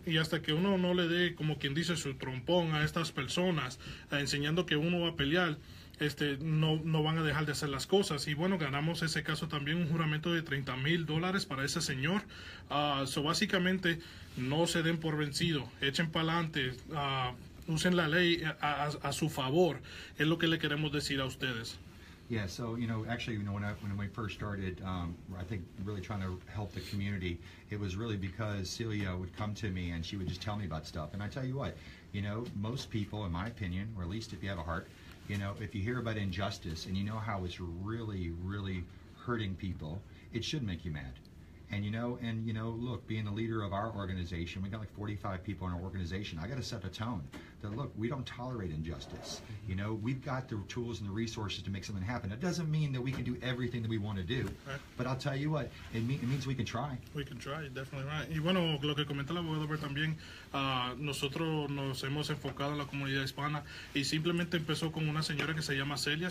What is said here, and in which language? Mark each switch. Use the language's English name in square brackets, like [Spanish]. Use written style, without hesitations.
[Spanish] Y hasta que uno no le dé, como quien dice, su trompón a estas personas, enseñando que uno va a pelear, no van a dejar de hacer las cosas. Y bueno, ganamos ese caso también, un juramento de $30,000 para ese señor. So básicamente, no se den por vencido, echen para adelante, usen la ley a su favor. Es lo que le queremos decir a ustedes. [English] Yeah, so, you know, actually, you know, when we first started, I think really trying to help the community, it was really because Celia would come to me and she would just tell me about stuff. And I tell you what, you know, most people, in my opinion, or at least if you have a heart, you know, if you hear about injustice and you know how it's really, really hurting people, it should make you mad. And, you know, look, being the leader of our organization, we got like 45 people in our organization. I got to set a tone that, look, we don't tolerate injustice. Mm-hmm. You know, we've got the tools and the resources to make something happen. It doesn't mean that we can do everything that we want to do. Right. But I'll tell you what, it means we can try. We can try, definitely right. [Spanish] Y bueno, lo que comenta el abogado Bert también, nosotros nos hemos enfocado en la comunidad hispana y simplemente empezó con una señora que se llama Celia.